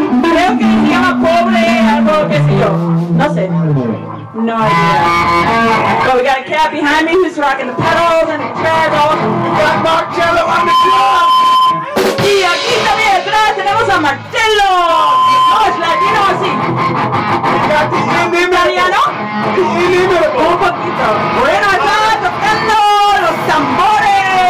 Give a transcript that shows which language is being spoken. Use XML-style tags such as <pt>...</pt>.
<es>Creo que se llama Pobre, algo que sé yo. No sé. No idea.</es> <en>But we got a cat behind me who's rocking the pedals and the treble. We got Marcello on the drums!</en> <es>Y aquí también atrás tenemos a Marcello! Oh, es latino así!</es> <en>We got the inimitable!</en> <es>Italiano?</es> <en>The inimitable!</en> <es>Un poquito! Bueno, está tocando los tambores!</es>